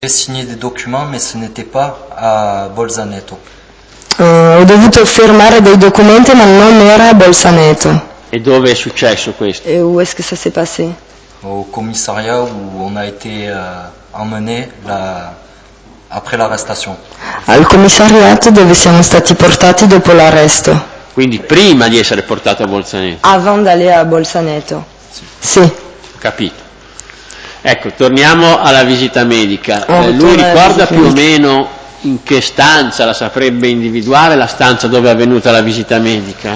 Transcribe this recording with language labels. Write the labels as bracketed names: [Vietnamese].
[French] J'ai signé des documents, mais ce n'était pas à Bolzaneto. [Italian] Ho dovuto firmare dei documenti, ma non era a Bolzaneto. E dove è successo questo? [French] E où est-ce que ça s'est passé? Au commissariat où on a été emmené après l'arrestation. [Italian] Al commissariato dove siamo stati portati dopo l'arresto. Quindi prima di essere portato a Bolzaneto. [French] Avant d'aller a Bolzaneto. Sì. [Italian] Capito. Ecco, torniamo alla visita medica. Lui ricorda più o meno in che stanza la saprebbe individuare, la stanza dove è avvenuta la visita medica?